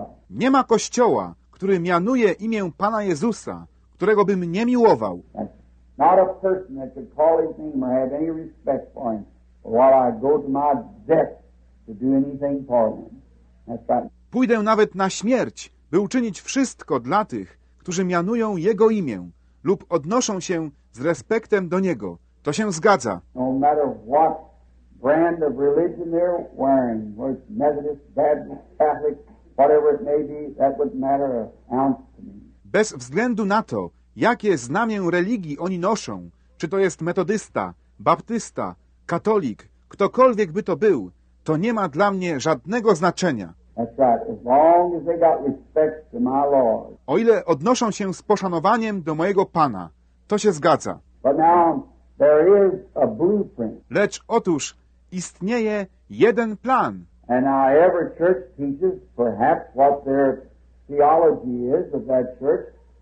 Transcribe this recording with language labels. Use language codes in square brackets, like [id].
[pl] Nie ma kościoła, który mianuje imię Pana Jezusa, którego bym nie miłował. [en] Not a person that could call his name or have any respect for him while I go to my death to do anything for him. That's right. [pl] Pójdę nawet na śmierć, by uczynić wszystko dla tych, którzy mianują jego imię lub odnoszą się z respektem do niego. To się zgadza. [en] No matter what brand of religion they're wearing, whether it's Methodist, Baptist, Catholic, whatever it may be, that wouldn't matter an ounce to me. [pl] Bez względu na to, jakie znamię religii oni noszą, czy to jest metodysta, baptysta, katolik, ktokolwiek by to był, to nie ma dla mnie żadnego znaczenia. [en] That's right. As long as they got respect to my Lord. [pl] O ile odnoszą się z poszanowaniem do mojego Pana, to się zgadza. [en] But now, there is a blueprint. [pl] Lecz otóż istnieje jeden plan. [en] And now every church teaches perhaps what their theology is of that church.